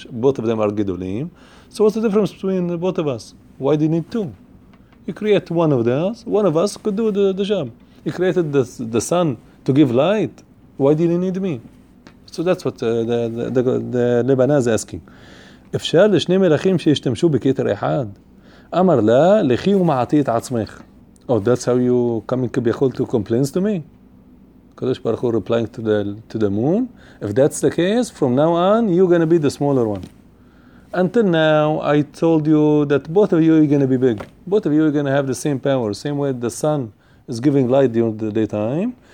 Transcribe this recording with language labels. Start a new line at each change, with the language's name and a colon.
English: Both of them are gidolim. So what's the difference between both of us? Why do you need two? You create one of us. One of us could do the job. You created the sun to give light. Why do you need me? So that's what the Lebanah is asking.
Hebrew: אפשר לשני מלאכים שישתמשו בכתר אחד? אמר לה, לכי ומעטי את עצמך.
English: Oh, that's how you coming כביכול to complaints to me? הקדוש ברוך הוא replying to the moon. If that's the case, from now on, you're going to be the smaller one. Until now, I told you that both of you are going to be big. Both of you are going to have the same power, same way the sun is giving light during the daytime.